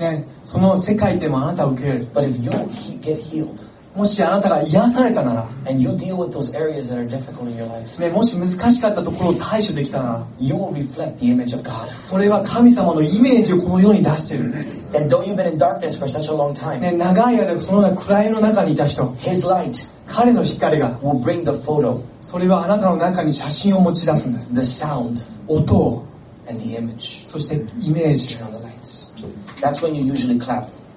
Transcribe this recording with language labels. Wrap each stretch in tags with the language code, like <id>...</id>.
<ja>ね、その世界でもあなたを受け入れる</ja> <en>But if you get healed,</en> <ja>もしあなたが癒されたなら、</ja> <en>And you deal with those areas that are difficult in your life.</en> <ja>ね、もし難しかったところを対処できたなら、</ja> <en>You will reflect the image of God.</en> <ja>それは神様のイメージをこの世に出してるんです。</ja> <en>Then don't you've been in darkness for such a long time.</en> <ja>ね、長い間そのような暗闇の中にいた人、</ja> <en>His light,</en> <ja>彼の光が、</ja> <en>will bring the photo.</en> <ja>それはあなたの中に写真を持ち出すんです。</ja> <en>The sound,</en> <ja>音を、</ja> <en>and the image.</en> <ja>そしてイメージ、</ja> <en>turn on the lights. That's when you usually clap.</en>